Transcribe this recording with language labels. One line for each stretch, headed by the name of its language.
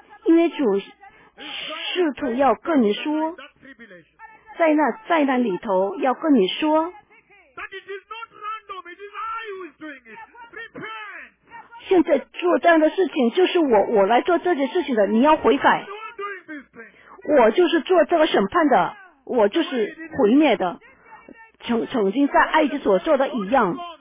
Chinese: 因为主试图要跟你说， 在那里头要跟你说，
English: that it is not random, it is I who is doing it. Repent.
Chinese: 现在做这样的事情就是我来做这件事情的，你要悔改。我就是做这个审判的，我就是毁灭的，曾经在埃及所做的一样。